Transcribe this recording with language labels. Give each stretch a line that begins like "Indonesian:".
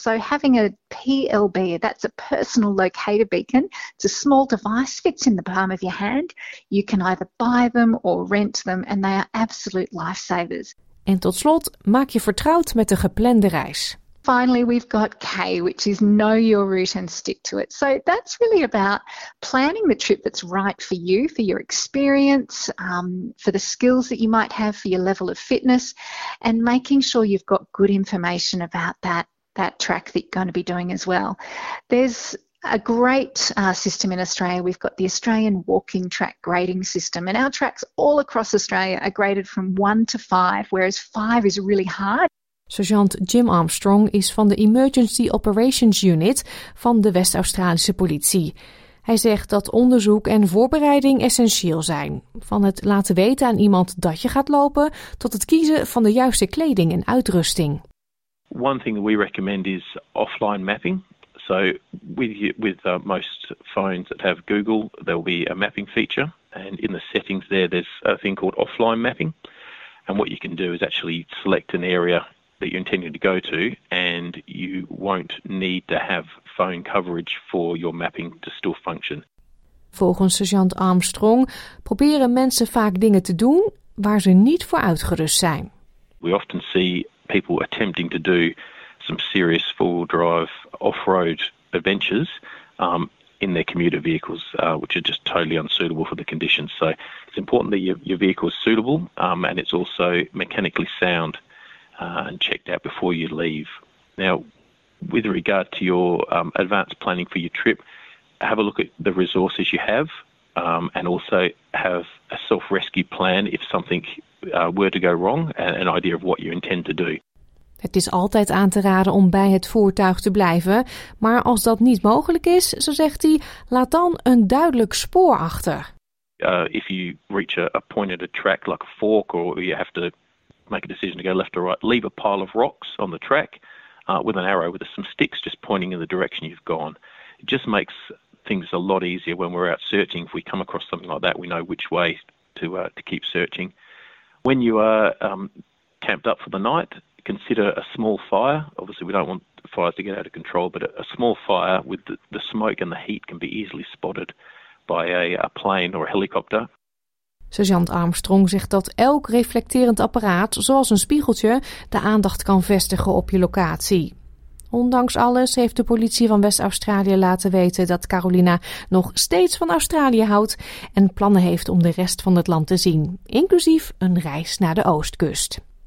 English: So having a PLB, that's a personal locator beacon, it's a small device, fits in the palm of your hand. You can either buy them or rent them and they are absolute lifesavers.
Dutch: En tot slot, maak je vertrouwd met de geplande reis.
English: Finally, we've got K, which is know your route and stick to it. So that's really about planning the trip that's right for you, for your experience, for the skills that you might have, for your level of fitness, and making sure you've got good information about that track that you're going to be doing as well. There's a great system in Australia. We've got the Australian Walking Track Grading System, and our tracks all across Australia are graded from 1 to 5, whereas 5 is really hard.
Dutch: Sergeant Jim Armstrong is van de Emergency Operations Unit van de West-Australische politie. Hij zegt dat onderzoek en voorbereiding essentieel zijn. Van het laten weten aan iemand dat je gaat lopen, tot het kiezen van de juiste kleding en uitrusting.
English: One thing we recommend is offline mapping. So with most phones that have Google, there will be a mapping feature. And in the settings there, there's a thing called offline mapping. And what you can do is actually select an area that you're intending to go to, and you won't need to have phone coverage for your mapping to still function.
Dutch: Volgens Sergeant Armstrong proberen mensen vaak dingen te doen waar ze niet voor uitgerust zijn.
English: We often see people attempting to do some serious four-wheel drive off-road adventures in their commuter vehicles, which are just totally unsuitable for the conditions. So it's important that your vehicle is suitable and it's also mechanically sound. And checked out before you leave. Now, with regard to your advanced planning for your trip, have a look at the resources you have and also have a self-rescue plan if something were to go wrong, and an idea of what you intend to do.
Dutch: Het is altijd aan te raden om bij het voertuig te blijven, maar als dat niet mogelijk is, zo zegt hij, laat dan een duidelijk spoor achter.
English: If you reach a point at a track like a fork, or you have to make a decision to go left or right, leave a pile of rocks on the track with an arrow with some sticks just pointing in the direction you've gone. It just makes things a lot easier when we're out searching. If we come across something like that, we know which way to keep searching. When you are camped up for the night, consider a small fire. Obviously, we don't want fires to get out of control, but a small fire with the smoke and the heat can be easily spotted by a plane or a helicopter.
Dutch: Sergeant Armstrong zegt dat elk reflecterend apparaat, zoals een spiegeltje, de aandacht kan vestigen op je locatie. Ondanks alles heeft de politie van West-Australië laten weten dat Carolina nog steeds van Australië houdt en plannen heeft om de rest van het land te zien, inclusief een reis naar de Oostkust.